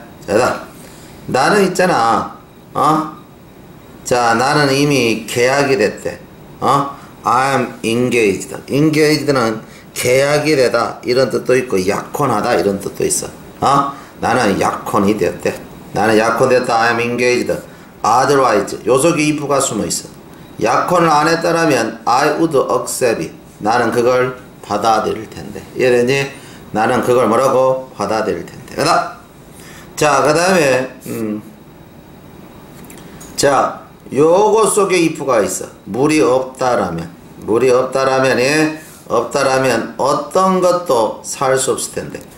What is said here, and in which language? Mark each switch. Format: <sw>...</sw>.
<ko>자, 나는 있잖아. 자, 나는 이미 계약이 됐대.</ko> <en>I'm engaged.</en> <ko>engaged는 계약이 되다 이런 뜻도 있고 약혼하다 이런 뜻도 있어. 나는 약혼이 되었대. 나는 약혼됐다.</ko> <en>I'm engaged.</en> <ko>Otherwise, 요속이 if가 숨어 있어. 약혼을 안 했더라면</ko> <en>I would accept it.</en> <ko>나는 그걸 받아들일 텐데. 이해되니? 나는 그걸 뭐라고 받아들일 텐데. 그다. 자, 그다음에 자, 요거 속에 if가 있어. 물이 없다라면. 물이 없다라면, 없다라면, 어떤 것도 살수 없을 텐데.</ko>